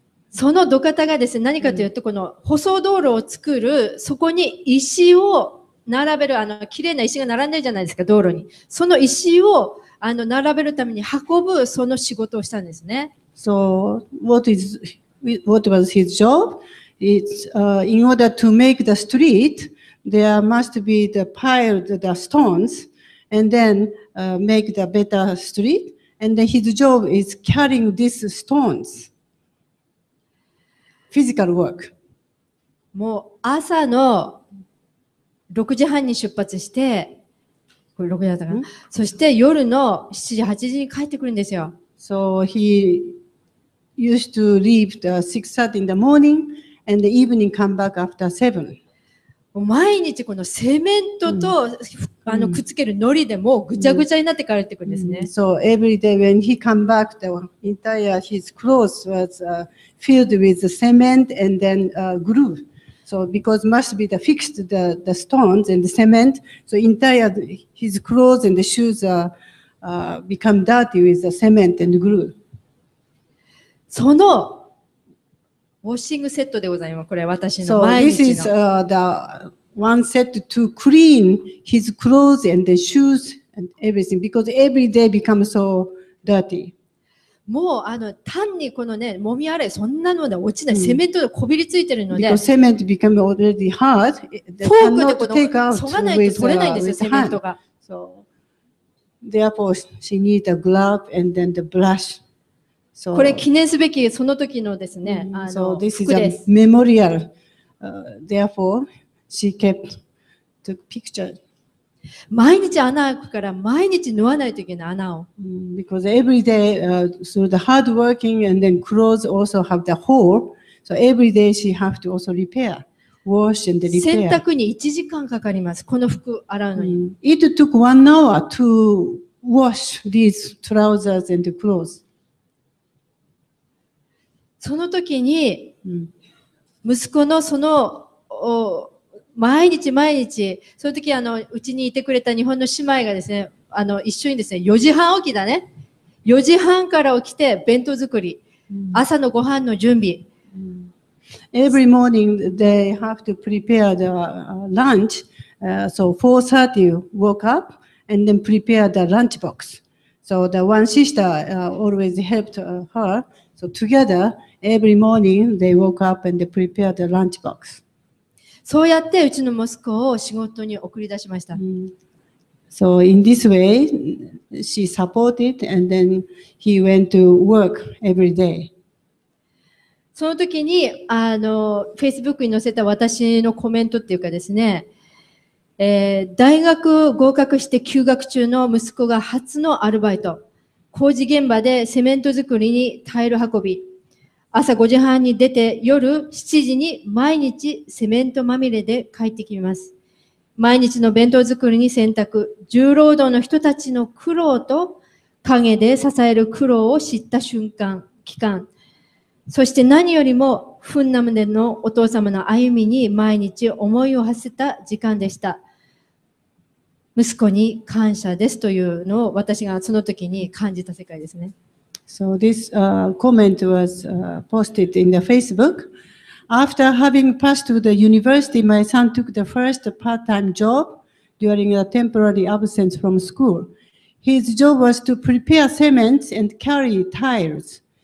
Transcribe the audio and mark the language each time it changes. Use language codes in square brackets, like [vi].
[ja] その土方がですね、何かというと、この舗装道路を作る、そこに石を並べる、きれいな石が並んでるじゃないですか、道路に。その石を並べるために運ぶ、その仕事をしたんですね。 [en] So, what was his job? It's, in order to make the street, there must be the piled the stones, and then,make the better street, and then his job is carrying these stones. Physical work. [ja] もう朝の6時半に出発して、これ6時だったかな、そして夜の7時、8時に帰ってくるんですよ。 [en] So he used to leave the 6:30 in the morning and the evening come back after 7. [ja] 毎日このセメントと、くっつけるノリでもうぐちゃぐちゃになって帰ってくるんですね。 [en] So every day when he come back, the entire his clothes was filled with the cement and then glue. So because must be the fixed the stones and the cement, so entire his clothes and the shoes become dirty with the cement and glue. [ja] そのウォッシングセットでございます。これ私の毎日の。 [en] So this is the one set to clean his clothes and the shoes and everything because every day becomes so dirty. [ja] もう単にこのね、もみ洗い、そんなのね、落ちない、セメントでこびりついてるので。 [en] Because cement become already hard. [ja] フォークでこの、そがないと取れないんですよ、セメントが。 [en] So therefore she needs a glove and then the brush. [ja] So, これ記念すべきその時のですね、 [en] so、this is a memorial. Therefore, she kept the picture. [ja] 毎日穴開くから毎日縫わないといけない穴を。 [en] Because every day, through the hard working and then clothes also have the hole. So every day she have to also repair, wash and repair. [ja] 洗濯に1時間かかります。この服洗うのに。 [en] It took 1 hour to wash these trousers and the clothes. [ja] その時に息子のその毎日毎日その時うちにいてくれた日本の姉妹がですね一緒にですね4時半起きだね4時半から起きて弁当作り朝のご飯の準備 [en] Every morning they have to prepare the lunch so 4:30 woke up and then prepare the lunch box so the one sister always helped her so togetherEvery morning, they woke up and they prepared the lunch box. [ja] そうやってうちの息子を仕事に送り出しました。 [en] So in this way, she supported and then he went to work every day. [ja] その時に Facebook に載せた私のコメントっていうかですね、大学合格して休学中の息子が初のアルバイト、工事現場でセメント作りにタイル運び。朝5時半に出て夜7時に毎日セメントまみれで帰ってきます。毎日の弁当作りに洗濯、重労働の人たちの苦労と陰で支える苦労を知った瞬間、期間。そして何よりもフンナムネのお父様の歩みに毎日思いを馳せた時間でした。息子に感謝ですというのを私がその時に感じた世界ですね。 [en] So this comment was posted in the Facebook. After having passed to the university, my son took the first part-time job during a temporary absence from school. His job was to prepare cement and carry tiles.